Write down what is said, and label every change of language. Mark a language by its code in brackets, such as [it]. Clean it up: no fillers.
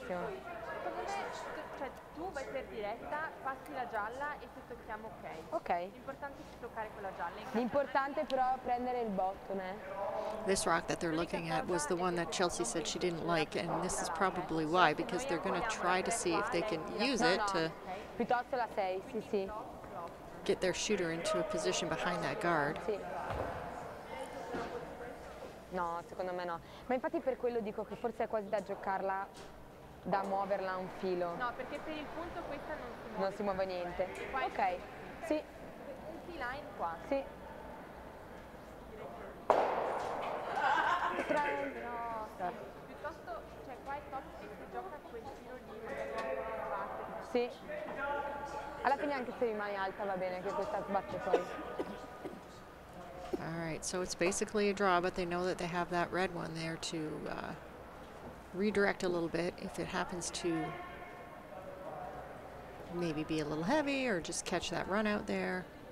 [it] Secondo me, cioè tu vai per diretta, passi la gialla e se tocchiamo ok. Ok. L'importante è toccare quella gialla. L'importante però è prendere il bottom, eh. [en] This rock that they're looking at was the one that Chelsea said she didn't like, and this is probably why, because they're going to try to see if they can use it to [it] piuttosto la sei, sì, sì. [en] Get their shooter into a position behind that guard. [it] Sì. No, secondo me no. Ma infatti per quello dico che forse è quasi da giocarla, da muoverla un filo. No, perché per il punto questa non si muove. Non si muove niente. Ok, sì. T-line qua. Sì. No, piuttosto, cioè qua è top e si gioca quel filo lì. Sì. Alla fine anche se rimani alta va bene, che questa sbatte poi. [en] All right, so it's basically a draw, but they know that they have that red one there to redirect a little bit if it happens to maybe be a little heavy or just catch that run out there.